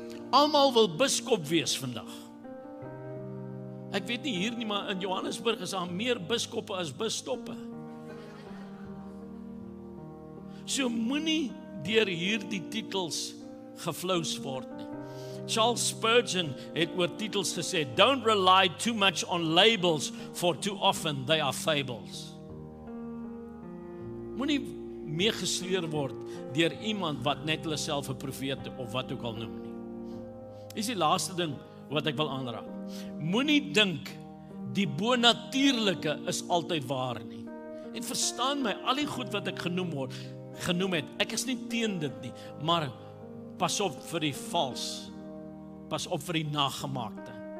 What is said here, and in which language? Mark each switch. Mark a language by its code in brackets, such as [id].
[af] Almal wil biskop wees vandag. Ek weet nie hier nie, maar in Johannesburg is daar meer biskoppe as busstoppe. So moenie deur hierdie titels gevloos word nie. [en] Charles Spurgeon [af] het oor titels gesê, [en] "Don't rely too much on labels, for too often they are fables." [af] Moenie meegesleur word deur iemand wat net hulle self 'n profeet of wat ook al noem nie. Is die laaste ding wat ek wil aanraak. Moenie dink die bonatuurlike is altyd waar nie. En verstaan my, al die goed wat ek genoem het, ek is nie teen dit nie, maar pas op vir die vals, pas op vir die nagemaakte.